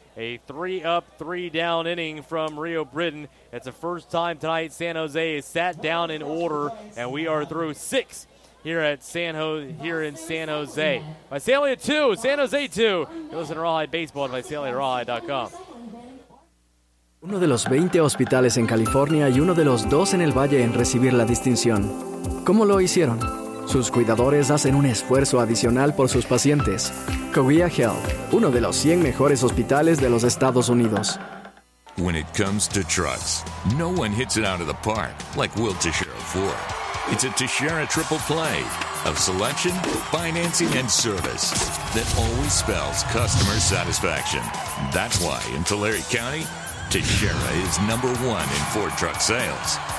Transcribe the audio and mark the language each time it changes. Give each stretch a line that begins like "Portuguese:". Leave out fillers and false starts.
English: A three-up, three-down inning from Rio Britton. It's the first time tonight San Jose has sat down in order, and we are through six here at San Jose. Visalia 2, San Jose 2. You listen to Rawhide Baseball at VisaliaRawhide.com.
Spanish: Uno de los 20 hospitales en California y uno de los dos en el Valle en recibir la distinción. ¿Cómo lo hicieron? Sus cuidadores hacen un esfuerzo adicional por sus pacientes. Covia Health, uno de los 100 mejores hospitales de los Estados Unidos.
English: When it comes to trucks, no one hits it out of the park like Will Teixeira Ford. It's a Teixeira triple play of selection, financing, and service that always spells customer satisfaction. That's why in Tulare County, Teixeira is number one in Ford truck sales.